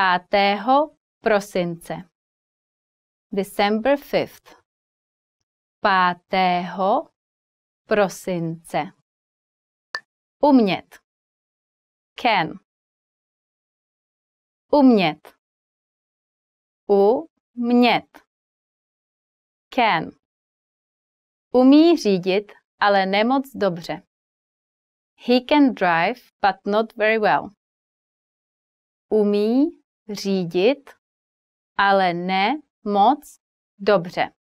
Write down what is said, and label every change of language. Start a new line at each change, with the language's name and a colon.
Czech: 5. prosince.
English: December 5th.
Czech: 5. prosince. Umět. Can. Umět. Umět. Can. Umí řídit, ale nemoc dobře.
English: He can drive, but not very well.
Czech: Umí řídit, ale ne moc dobře.